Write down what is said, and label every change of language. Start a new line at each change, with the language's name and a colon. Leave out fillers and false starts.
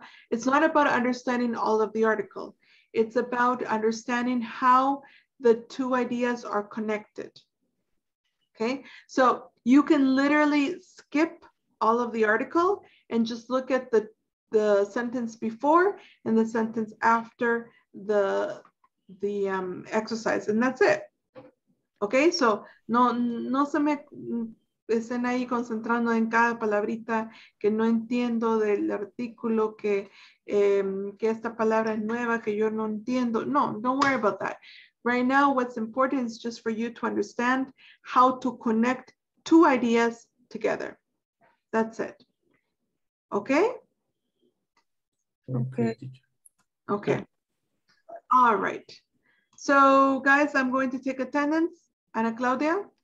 English: It's not about understanding all of the article. It's about understanding how the two ideas are connected. Okay, so you can literally skip all of the article and just look at the sentence before and the sentence after the exercise, and that's it.
Spanish: Okay, so no, no se me estén ahí concentrando en cada palabrita que no entiendo del artículo, que, que esta palabra es nueva, que yo no entiendo.
English: No, don't worry about that. Right now, what's important is just for you to understand how to connect two ideas together. That's it. Okay? Okay. Okay. All right. So, guys, I'm going to take attendance. Ana Claudia?